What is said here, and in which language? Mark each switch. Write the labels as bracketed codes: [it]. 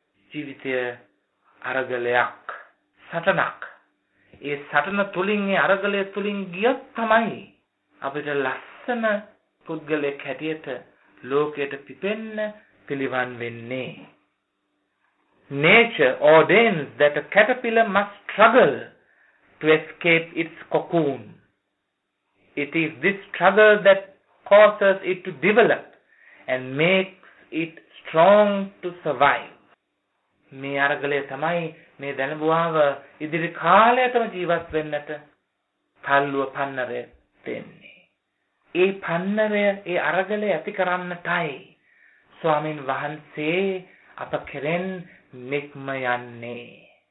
[si] ජීවිතය අරගලයක්, සටනක්. ඒ සටන තුළින්, ඒ අරගලය තුළින් ගියොත් තමයි අපිට ලස්සන පුද්ගලයෙක් හැටියට ලෝකයට පිපෙන්න පිළිවන් වෙන්නේ. [en] Nature ordains that a caterpillar must struggle to escape its cocoon. It is this struggle that causes it to develop and makes it strong to survive. [si] මේ අරගලය තමයි මේ දැනඹුවාව ඉදිරි කාලයටම ජීවත් වෙන්නට තල්ලුව, පන්නරය දෙන්නේ. ඒ පන්නරය, ඒ අරගලය ඇති කරන්නටයි ස්වාමින් වහන්සේ අප කෙරෙන් නික්ම යන්නේ.